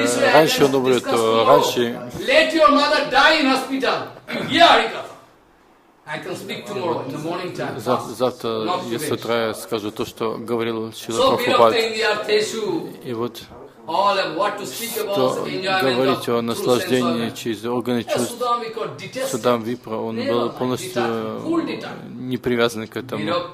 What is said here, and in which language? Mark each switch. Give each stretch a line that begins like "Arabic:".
Russian: Если раньше он умрет, то раньше...
English: Let your mother die in hospital. Here, I can speak tomorrow, in the morning time.
Russian: Завтра, если с утра, я скажу то, что говорил Шрила Прабхупада. И вот, что говорить о наслаждении через органы чувств, Судам Випра, он был полностью не привязан к этому.